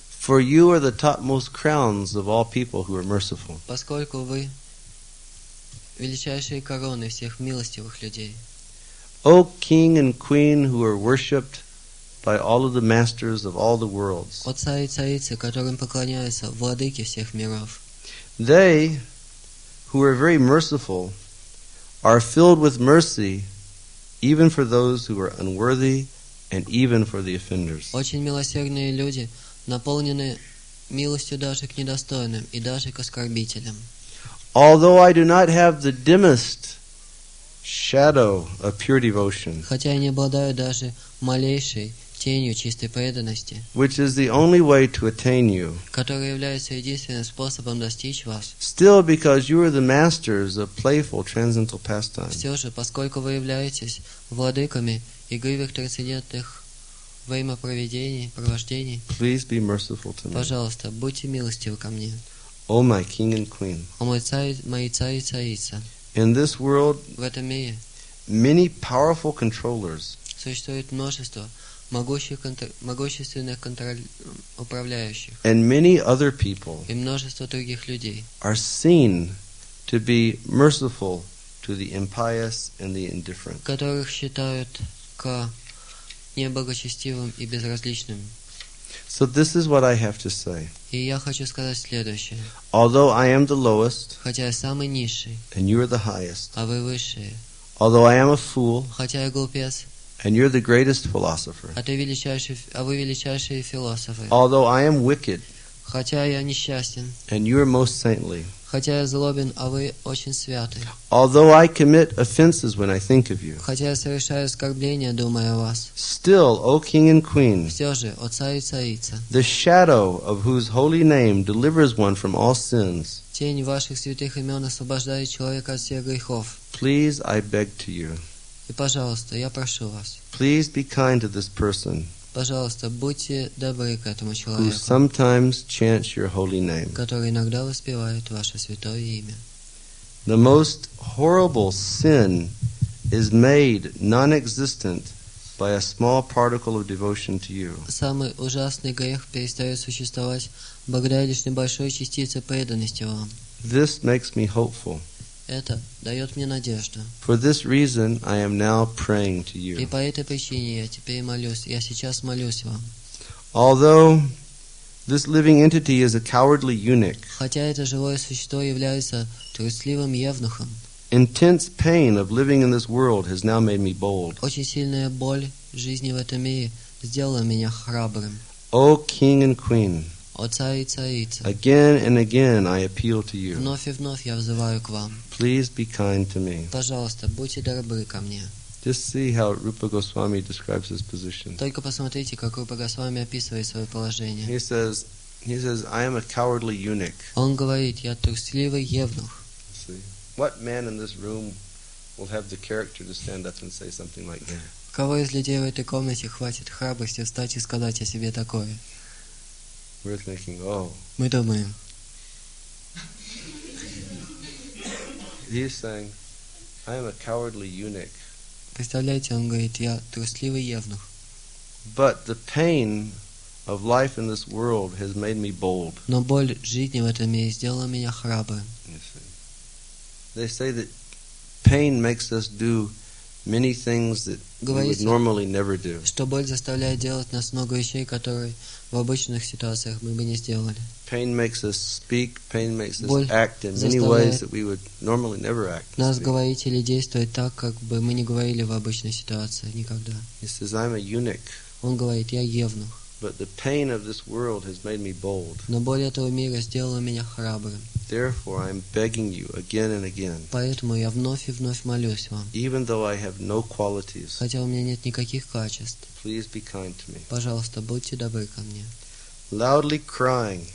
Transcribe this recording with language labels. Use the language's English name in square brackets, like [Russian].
[English] For you are the topmost crowns of all people who are merciful. [Russian] Поскольку вы величайшие короны всех милостивых людей. [English] O king and queen who are worshipped by all of the masters of all the worlds. [Russian] О царь и царица, которым поклоняются владыки всех миров. [English] They, who are very merciful, are filled with mercy even for those who are unworthy and even for the offenders. [Russian] Очень милосердные люди, наполнены милостью даже к недостойным и даже к оскорбителям. [English] Although I do not have the dimmest shadow of pure devotion, [Russian] хотя я не обладаю даже малейшей тенью чистой преданности, [English] which is the only way to attain you, [Russian] которая является единственным способом достичь вас, [English] still because you are the masters of playful transcendental pastime, [Russian] все же, поскольку вы являетесь владыками игривых трансцендентных во имя проведения, провождений. [English] Please be merciful to me. [Russian] Пожалуйста, будьте милостивы ко мне. [English] O my king and queen. [Russian] О мой царь, мои царь и царица. [English] In this world, [Russian] в этом мире, [English] many powerful controllers, [Russian] существует множество могущественных управляющих, [English] and many other people, [Russian] и множество других людей, [English] are seen to be merciful to the impious and the indifferent, [Russian] которых считают к неблагочестивым и безразличным. [English] So this is what I have to say. [Russian] И я хочу сказать следующее. [English] Although I am the lowest, [Russian] хотя я самый низший, [English] and you are the highest, [Russian] а вы высшие. [English] Although I am a fool, [Russian] хотя я глупец, [English] and you're the greatest philosopher, [Russian] а вы величайший философ. [English] Although I am wicked, [Russian] хотя я несчастен, [English] and you are most saintly, [Russian] хотя я злобен, а вы очень святы. [English] Although I commit offenses when I think of you, [Russian] хотя я совершаю оскорбления, думая о вас. [English] Still, O King and Queen, [Russian] все же, о царь и царица, [English] the shadow of whose holy name delivers one from all sins, [Russian] тень ваших святых имен освобождает человека от всех грехов. [English] Please, I beg to you. [Russian] И пожалуйста, я прошу вас. [English] Please be kind to this person. [Russian] Пожалуйста, будьте добры к этому человеку, [English] who sometimes chants your holy name, [Russian] который иногда воспевает ваше святое имя. [English] The most horrible sin is made non-existent by a small particle of devotion to you. [Russian] Самый ужасный грех перестает существовать благодаря лишь небольшой частице преданности вам. [English] This makes me hopeful. [Russian] Это дает мне надежду. [English] For this reason, I am now praying to you. [Russian] И по этой причине я теперь молюсь. Я сейчас молюсь вам. [English] Although this living entity is a cowardly eunuch, [Russian] хотя это живое существо является трусливым евнухом, [English] intense pain of living in this world has now made me bold. [Russian] Очень сильная боль жизни в этом мире сделала меня храбрым. [English] O King and Queen, again and again I appeal to you. [Russian] Вновь и вновь я взываю к вам. [English] Please be kind to me. [Russian] Пожалуйста, будьте добры ко мне. [English] Just see how Rupa Goswami describes his position. [Russian] Только посмотрите, как Рупа Госвами описывает свое положение. [English] He says, I am a cowardly eunuch. [Russian] Он говорит, я трусливый евнух. [English] See, what man in this room will have the character to stand up and say something like that? [Russian] Кого из людей в этой комнате хватит храбрости встать и сказать о себе такое? [English] We're thinking, oh. [Russian] Мы думаем. [English] He's saying, I am a cowardly eunuch. [Russian] Представляете, он говорит, я трусливый евнух. [English] But the pain of life in this world has made me bold. [Russian] Но боль жизни в этом мире сделала меня храбрым. [English] They say that pain makes us do many things that we would normally never do. [Russian] Что боль заставляет делать нас много вещей, которые в обычных ситуациях мы бы не сделали. [English] Pain makes us speak. Pain makes us act in many ways that we would normally never act. [Russian] Нас говорить или действовать так, как бы мы не говорили в обычной ситуации никогда. [English] He says, "I'm a eunuch." [Russian] Он говорит, я евнух. [English] But the pain of this world has made me bold. [Russian] Но боль этого мира сделала меня храбрым. [English] Therefore, I'm begging you again and again. [Russian] Поэтому я вновь и вновь молюсь вам. [English] Even though I have no qualities. [Russian] Хотя у меня нет никаких качеств. [English] Please be kind to me. [Russian] Пожалуйста, будьте добры ко мне. [English] Loudly crying.